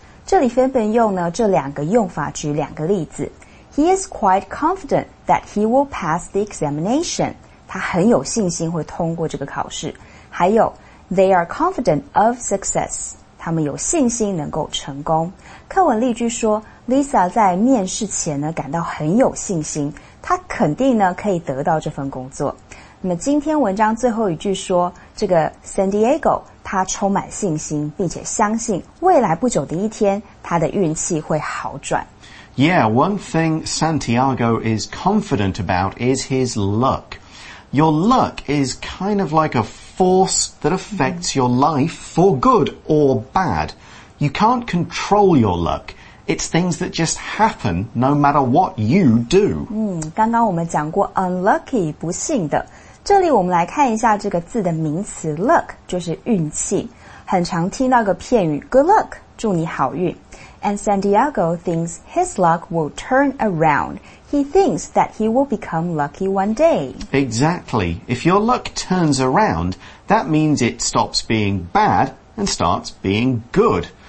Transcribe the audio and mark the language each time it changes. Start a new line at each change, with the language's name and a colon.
Chinese: 这里分别用呢这两个用法举两个例子。
English: He is quite confident that he will pass the examination.
Chinese: 他很有信心会通过这个考试。还有 ，
English: They are confident of success.
Chinese: 他们有信心能够成功。课文例句说 ，Lisa 在面试前呢感到很有信心，她肯定呢可以得到这份工作。那么今天文章最后一句说，这个 San Diego 他充满信心，并且相信未来不久的一天，他的运气会好转。
English: Yeah, one thing Santiago is confident about is his luck. Your luck is kind of like a force that affects your life for good or bad. You can't control your luck. It's things that just happen no matter what you do.
Chinese: 刚刚我们讲过 unlucky, 不幸的。这里我们来看一下这个字的名词 luck, 就是运气。很常听到个片语 good luck, 祝你好运。
English: And Santiago thinks his luck will turn around. He thinks that he will become lucky one day. Exactly. If your luck turns around, that means it stops being bad and starts being good.